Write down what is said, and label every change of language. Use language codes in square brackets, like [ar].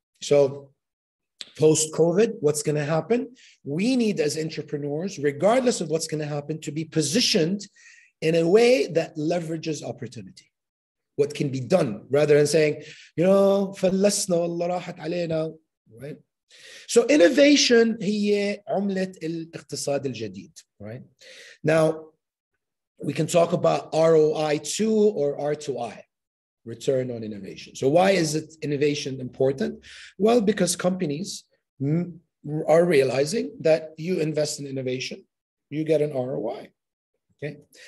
[en] So post-COVID, what's going to happen? We need, as entrepreneurs, regardless of what's going to happen, to be positioned in a way that leverages opportunity. What can be done, rather than saying, you know, [ar] فلسنا والله راحت علينا, [en] right? So innovation [ar] هي عملة الاقتصاد الجديد, [en] right? Now, we can talk about ROI2 or R2I. Return on innovation. So why is it innovation important? Well, because companies are realizing that you invest in innovation, you get an ROI, okay?